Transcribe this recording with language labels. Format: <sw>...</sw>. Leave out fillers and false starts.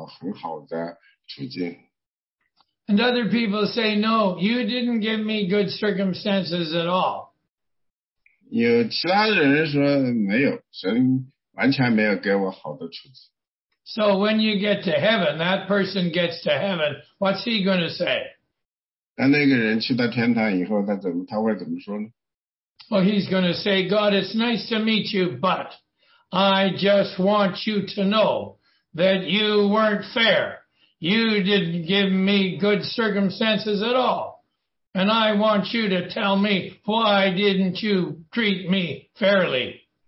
<zh>有些人说呢，感谢主，感谢主，因为您赐给了我很好的处境。</zh> <en>And other people say, no, you didn't give me good circumstances at all.</en> <zh>有其他的人说没有，神完全没有给我好的处境。</zh> <en>So when you get to heaven, that person gets to heaven, what's he going to say?</en> <zh>那个人去到天堂以后，他会怎么说呢？</zh> <en>Well, he's going to say, God, it's nice to meet you, but I just want you to know that you weren't fair. You didn't give me good circumstances at all. And I want you to tell me, why didn't you treat me fairly?</en>